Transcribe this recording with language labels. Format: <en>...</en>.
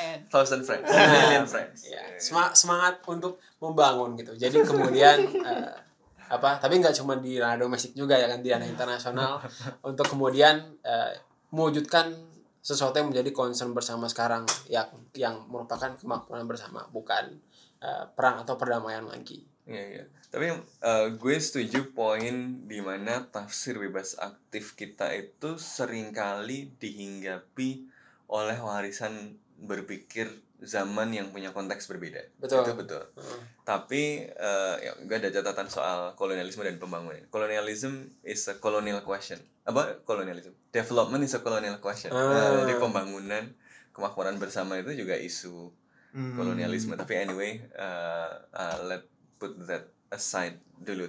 <en>Thousand friends, million friends.</en> <id>Semangat untuk membangun gitu. Jadi kemudian... apa, tapi nggak cuma di ranah domestik juga ya kan, di ranah internasional untuk kemudian mewujudkan sesuatu yang menjadi concern bersama sekarang yang merupakan kemakmuran bersama, bukan perang atau perdamaian lagi. Iya. Tapi gue setuju poin di mana tafsir bebas aktif kita itu seringkali dihinggapi oleh warisan berpikir zaman yang punya konteks berbeda. Betul. Itu betul. Tapi ya, gue ada catatan soal kolonialisme dan pembangunan.</id> <en>Colonialism is a colonial question.</en> <id>Apa kolonialisme?</id> <en>Development is a colonial question.</en> <id>Jadi pembangunan, kemakmuran bersama itu juga isu kolonialisme.</id> <en>Tapi anyway, let put that aside dulu.</en>